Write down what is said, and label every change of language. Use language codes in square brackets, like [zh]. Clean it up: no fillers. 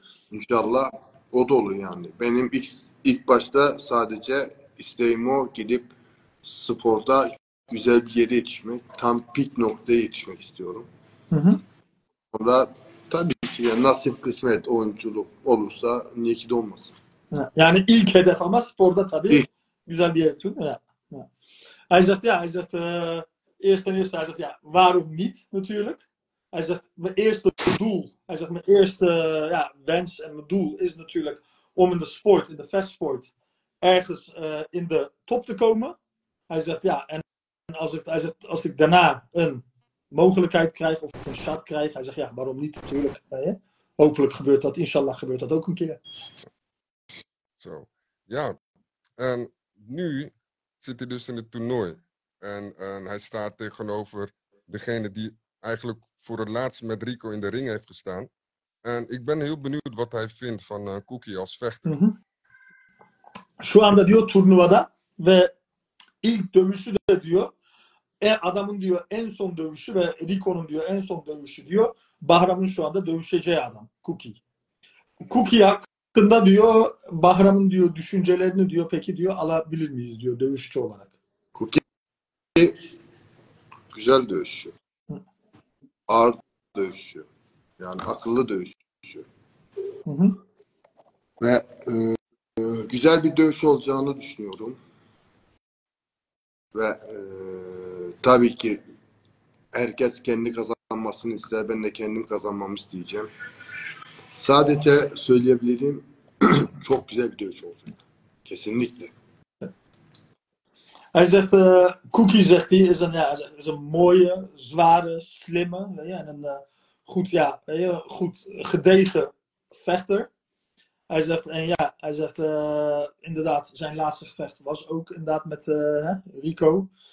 [tr] İnşallah o da olur yani. Benim ilk başta sadece isteğim o gidip sporda güzel bir yere yetişmek, tam peak noktaya yetişmek istiyorum. Sonra tabii ki yani nasip kısmet oyunculuk olursa niye ki de olmasın. Yani ilk hedef ama sporda tabii güzel bir yetiyor değil mi? [nl] Hij zegt ja, hij zegt eerst en eerst, hij zegt ja, waarom niet natuurlijk? Hij zegt mijn eerste doel, hij zegt mijn eerste ja, wens en mijn doel is natuurlijk om in de sport, in de vechtsport, ergens in de top te komen. Hij zegt ja, en als ik, hij zegt, als ik daarna een mogelijkheid krijg of een shot krijg, hij zegt ja, waarom niet natuurlijk? Hè? Hopelijk gebeurt dat, inshallah gebeurt dat ook een keer. Zo, ja. En nu zit hij dus in het toernooi. En hij staat tegenover degene die eigenlijk voor het laatst met Rico in de ring heeft gestaan. En ik ben heel benieuwd wat hij vindt van Cookie als vechter. [tr] Şu anda diyor turnuvada ve ilk dövüşü de diyor. Adamın diyor en son dövüşü ve Rico'nun diyor en son dövüşü diyor. Bahram'ın şu anda dövüşeceği adam Cookie. Cookie hak hakkında diyor Bahram'ın diyor düşüncelerini diyor peki diyor alabilir miyiz diyor dövüşçü olarak. Cookie güzel dövüşçü. Ağır dövüşçü. Yani akıllı dövüşçü. Ve güzel bir dövüş olacağını düşünüyorum. Ve tabii ki herkes kendi kazanmasını ister. Ben de kendim kazanmamı isteyeceğim. Sadece söyleyebilirim. Çok güzel bir dövüş olacak. Kesinlikle. [nl] Hij zegt, Cookie zegt hij, is een, ja, is een mooie, zware, slimme, ja, en een goed, ja, goed gedegen vechter. Hij zegt, en ja, hij zegt, inderdaad, zijn laatste gevecht was ook inderdaad met Rico.